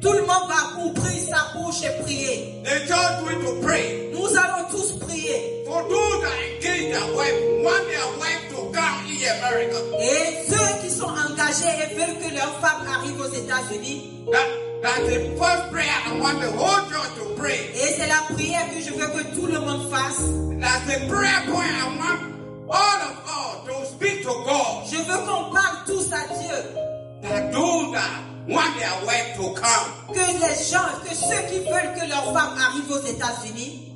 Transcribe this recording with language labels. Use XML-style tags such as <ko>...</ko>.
<fr>Tout le monde va ouvrir sa bouche et prier.</fr> <en>The church going to pray.</en> <fr>Nous allons tous prier.</fr> <en>For those that engage their wife, want their wife to come here, America.</en> <fr>Et ceux qui sont engagés et veulent que leur femme arrive aux États-Unis.</fr> <en>That's the first prayer I want the whole church to pray.</en> <fr>Et c'est la prière que je veux que tout le monde fasse.</fr> <en>That's the prayer point I want. All of all, to speak to God.</en> <fr>Je veux qu'on parle tous à Dieu.</fr> <en>That those that want their wife to come.</en> <fr>Que les gens, que ceux qui veulent que leur femme arrive aux États-Unis.</fr>